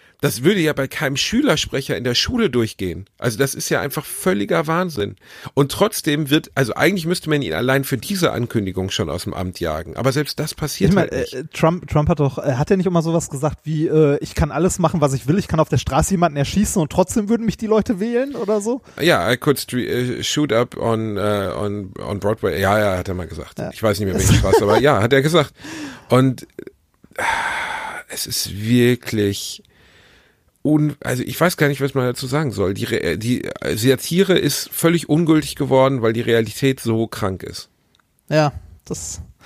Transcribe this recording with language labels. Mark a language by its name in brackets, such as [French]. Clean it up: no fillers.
[German] Das würde ja bei keinem Schülersprecher in der Schule durchgehen. Also das ist ja einfach völliger Wahnsinn. Und trotzdem wird, also eigentlich müsste man ihn allein für diese Ankündigung schon aus dem Amt jagen. Aber selbst das passiert halt nicht. Trump hat er nicht immer sowas gesagt wie, ich kann alles machen, was ich will. Ich kann auf der Straße jemanden erschießen und trotzdem würden mich die Leute wählen oder so? [English] Ja, I could shoot up on Broadway. [German] Ja, hat er mal gesagt. Ja. Ich weiß nicht mehr, welche Straße, aber ja, hat er gesagt. Und es ist wirklich also ich weiß gar nicht, was man dazu sagen soll. Die Satire ist völlig ungültig geworden, weil die Realität so krank ist. Ja, das.